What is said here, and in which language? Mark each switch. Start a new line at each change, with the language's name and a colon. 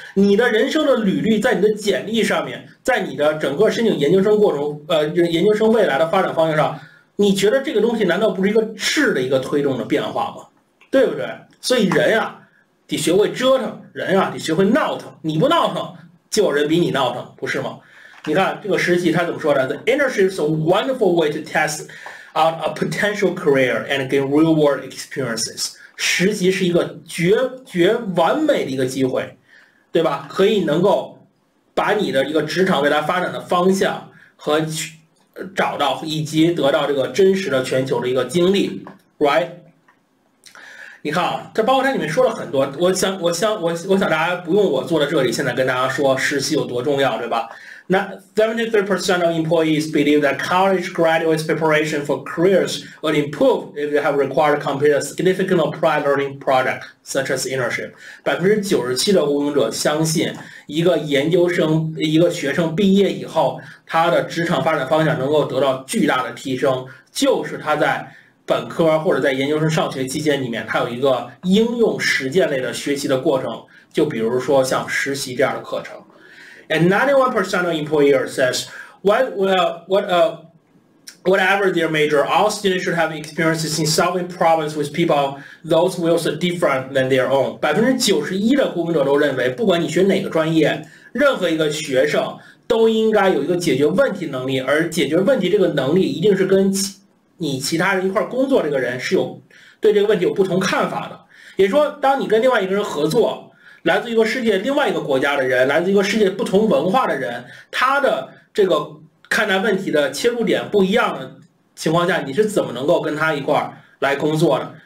Chinese: 你的人生的履历，在你的简历上面，在你的整个申请研究生过程，研究生未来的发展方向上，你觉得这个东西难道不是一个质的一个推动的变化吗？对不对？所以人呀、啊。得学会折腾，人啊，得学会闹腾。你不闹腾，就有人比你闹腾，不是吗？你看这个实习他怎么说的？
English: The internship is a wonderful way to test out a potential career and gain real world experiences。
Chinese: 实习是一个绝完美的一个机会，对吧？可以能够把你的一个职场未来发展的方向和去找到以及得到这个真实的全球的一个经历，right？你看啊，这包括它里面说了很多，我想大家不用我坐在这里，现在跟大家说实习有多重要，对吧？
English: 那73% of employees believe that college graduates' preparation for careers would improve if they have required to complete a significant prior learning project such as internship。
Chinese: 97%的雇佣者相信，一个研究生，一个学生毕业以后，他的职场发展方向能够得到巨大的提升，就是他在本科或者在研究生上学期间里面，它有一个应用实践类的学习的过程，就比如说像实习这样的课程。
English: And 91% of employers says whatever their major, all students should have experiences in solving problems with people. Those fields are different than their own.
Chinese: 91%的雇佣者都认为，不管你学哪个专业，任何一个学生都应该有一个解决问题能力，而解决问题这个能力一定是跟你其他人一块工作，这个人是有对这个问题有不同看法的。也说，当你跟另外一个人合作，来自一个世界另外一个国家的人，来自一个世界不同文化的人，他的这个看待问题的切入点不一样的情况下，你是怎么能够跟他一块来工作的？